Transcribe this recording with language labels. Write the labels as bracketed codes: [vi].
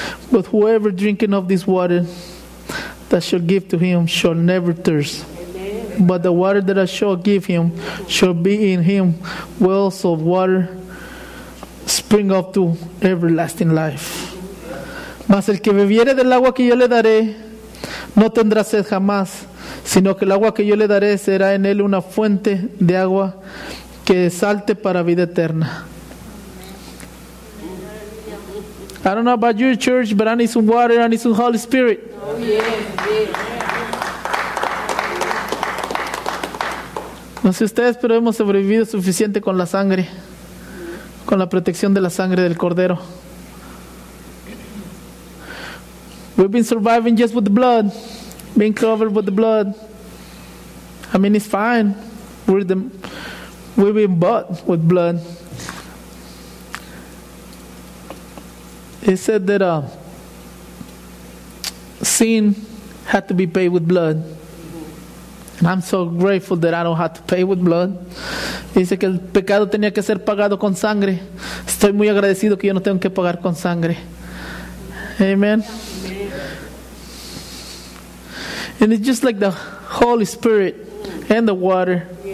[en] But whoever drinking of this water that shall give to him shall never thirst. Amen. But the water that I shall give him shall be in him wells of water spring up to everlasting life. [es] Mas el que bebiere del agua que yo le daré no tendrá sed jamás, sino que el agua que yo le daré será en él una fuente de agua que salte para vida eterna. [en] I don't know about you, church, but I need some water. I need some Holy Spirit. [es] No sé ustedes, pero hemos sobrevivido suficiente con la sangre, con la protección de la sangre del Cordero. [en] We've been surviving just with the blood, being covered with the blood. I mean, it's fine. We've been bought with blood. It said that sin had to be paid with blood. And I'm so grateful that I don't have to pay with blood. [es] Dice que el pecado tenía que ser pagado con sangre. Estoy muy agradecido que yo no tengo que pagar con sangre. [en] Amen. And it's just like the Holy Spirit and the water.